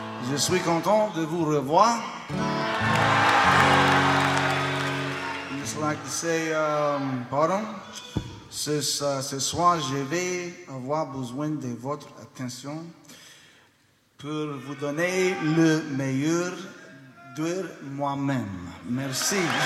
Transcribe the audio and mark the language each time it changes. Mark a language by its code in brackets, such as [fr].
[fr] Je suis content de vous revoir. [en] I'd just like to say, pardon. [fr] Ce soir, je vais avoir besoin de votre attention pour vous donner le meilleur de moi-même. Merci.